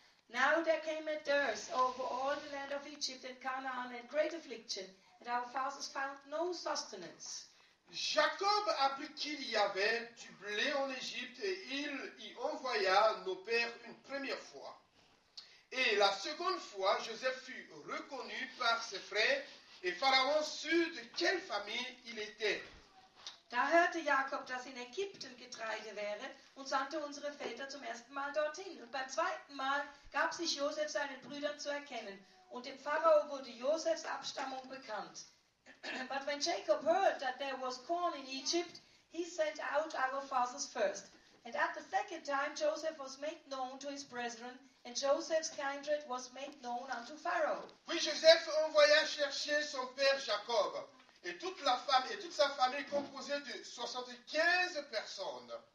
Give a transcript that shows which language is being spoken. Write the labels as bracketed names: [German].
[English] Now there came a dearth over all the land of Egypt and Canaan and great affliction. And our fathers found no sustenance. [French] Jacob apprit qu'il y avait du blé en Égypte et il y envoya nos pères une première fois. Et la seconde fois, Joseph fut reconnu par ses frères et Pharaon sut de quelle famille il était. [German] Da hörte Jakob, dass in Ägypten Getreide wäre und sandte unsere Väter zum ersten Mal dorthin. Und beim zweiten Mal gab sich Joseph seinen Brüdern zu erkennen. Und dem Pharao wurde Josephs Abstammung bekannt. [English] But when Jacob heard that there was corn in Egypt, he sent out our fathers first. And at the second time, Joseph was made known to his brethren, and Joseph's kindred was made known unto Pharaoh. [French] Puis Joseph envoya chercher son père Jacob, et toute la femme et toute sa famille composée de 75 personnes.